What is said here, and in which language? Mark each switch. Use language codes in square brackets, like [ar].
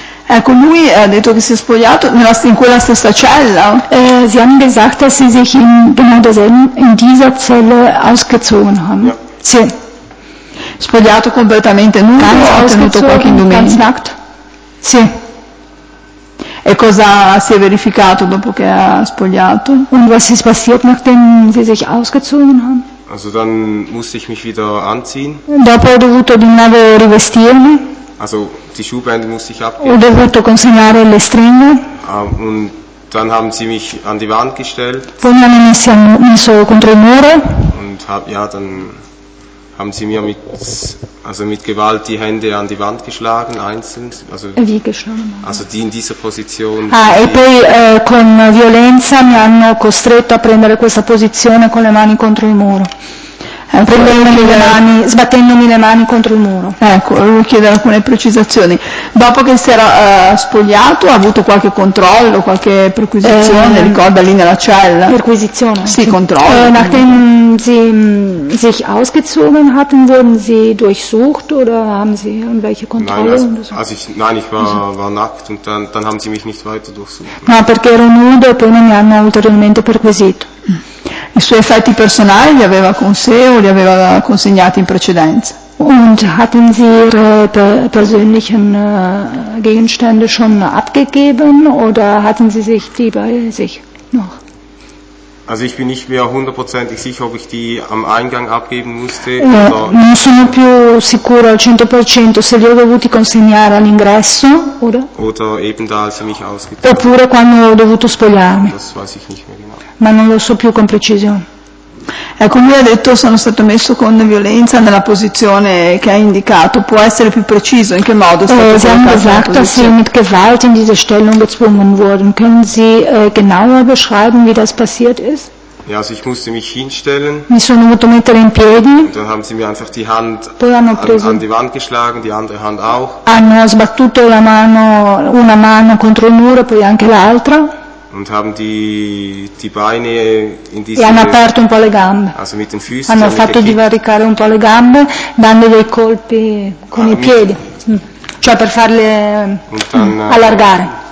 [it] Ecco, lui ha detto che si è spogliato in quella stessa cella. [de] Sie haben gesagt, dass sie sich in dieser Zelle ausgezogen haben. Ja. [it] Sì. Spogliato completamente nudo o ha tenuto qualche indumento? [de] Ganz nackt. [it] Sì. E cosa si è verificato dopo che ha spogliato? [de] Und was ist passiert, nachdem sie sich ausgezogen haben? Also dann musste ich mich wieder anziehen. [it] Dopo ho dovuto di nuovo rivestirmi. [de] Also die Schuhbänder musste ich abgeben. [it] Ho dovuto consegnare le stringhe. [de] Und dann haben sie mich an die Wand gestellt. [it] Poi mi hanno messo contro il muro. [de] Und dann haben sie mir mit Gewalt die Hände an die Wand geschlagen, einzeln. Also, wie geschlagen? Also die in dieser Position. [it] E poi con violenza mi hanno costretto a prendere questa posizione con le mani contro il muro. Sbattendomi le mani contro il muro. Ecco, volevo chiedere alcune precisazioni. Dopo che si era spogliato, ha avuto qualche controllo, qualche perquisizione, ricorda lì nella cella? Perquisizione? Sì, controllo. [de] Nachdem sie sich ausgezogen hatten, wurden sie durchsucht oder haben sie irgendwelche Kontrolle? Nein, ich war nackt und dann haben sie mich nicht weiter durchsucht. [it] No, perché ero nudo e poi non mi hanno ulteriormente perquisito. I suoi effetti personali li aveva con sé o li aveva consegnati in precedenza? [de] Und hatten Sie Ihre persönlichen Gegenstände schon abgegeben oder hatten Sie sich die bei sich noch? Also ich bin nicht mehr hundertprozentig sicher, ob ich die am Eingang abgeben musste. [it] Non sono più sicuro al 100% se li ho dovuti consegnare all'ingresso, oder? [de] Oder eben da, als sie mich ausgetragen. [it] Oppure quando ho dovuto spogliarmi. [de] Das weiß ich nicht mehr genau. [it] Ma non lo so più con precisione. Ecco, lui ha detto sono stato messo con violenza nella posizione che ha indicato. Può essere più preciso in che modo è stato colocato in posizione? [de] Sie haben gesagt, dass sie mit Gewalt in diese Stellung gezwungen wurden. Können Sie genauer beschreiben, wie das passiert ist? Ja, also ich musste mich hinstellen. [it] Mi sono dovuto mettere in piedi. [de] Und dann haben sie mir einfach die Hand an die Wand geschlagen, die andere Hand auch. [it] Hanno sbattuto la mano, una mano contro il muro, poi anche l'altra. [de] Und haben die Beine in diese, [it] e hanno aperto un po' le gambe, [de] also mit den Füßen, [it] hanno fatto divaricare un po' le gambe dando dei colpi con i piedi, cioè per farle allargare.